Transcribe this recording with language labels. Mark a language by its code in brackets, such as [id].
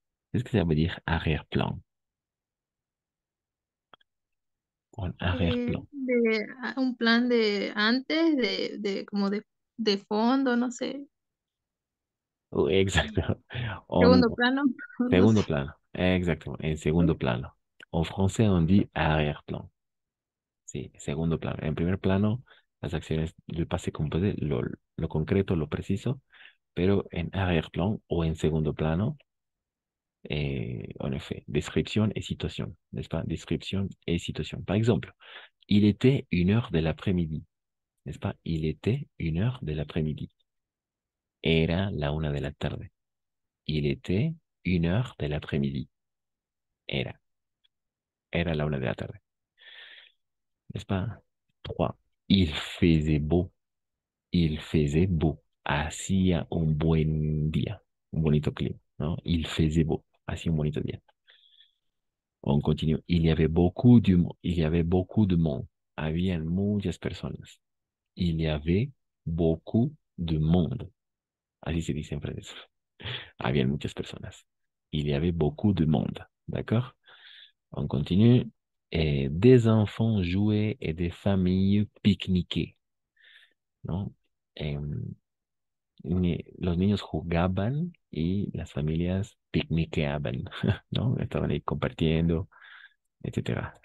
[fr] Qu'est-ce que ça veut dire arrière-plan? En arrière-plan. [es] De un plan de antes de como de fondo, no sé. Oh, exacto. Segundo plano, no Segundo sé. plano. Exacto. En segundo plano. En francés, [fr] on dit arrière-plan. [es] Sí, segundo plano. En primer plano, las acciones del pasé composé, lo concreto, lo preciso, pero en arrière-plan o en segundo plano, [fr] en effet, [es] descripción y situación, [fr] n'est-ce pas? [es] Descripción y situación. Por ejemplo, [fr] il était une heure de l'après-midi, n'est-ce pas? Il était une heure de l'après-midi. [es] Era la una de la tarde. [fr] Il était une heure de l'après-midi. [es] Era. Era la una de la tarde. [fr] N'est-ce pas? Trois. Il faisait beau. Il faisait beau. [es] Hacía un buen día. Un bonito clima, ¿no? [fr] Il faisait beau. [es] Hacía un bonito día. [fr] On continue. Il y avait beaucoup de monde. [es] Había muchas personas. [fr] Il y avait beaucoup de monde. [es] Así se dice en francés. Había muchas personas. [fr] Il y avait beaucoup de monde. ¿D'accord? On continue. Et des enfants jouaient et des familles pique-niquaient. [es] ¿No? Los niños jugaban y las familias pique-niqueaban, ¿no? Estaban ahí compartiendo, etcétera.